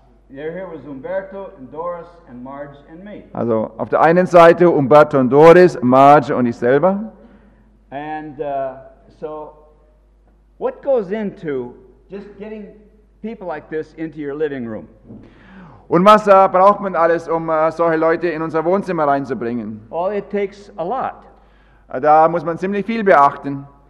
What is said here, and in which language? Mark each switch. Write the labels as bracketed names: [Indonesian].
[English] Here was Umberto and Doris and Marge and me. [German] Also auf der einen Seite Umberto und Doris, Marge und ich selber. [English] And so what goes into just getting people like this into your living room? [German] Und was braucht man alles, um solche Leute in unser Wohnzimmer reinzubringen? [English] Well, it takes a lot. [German] Da muss man ziemlich viel beachten.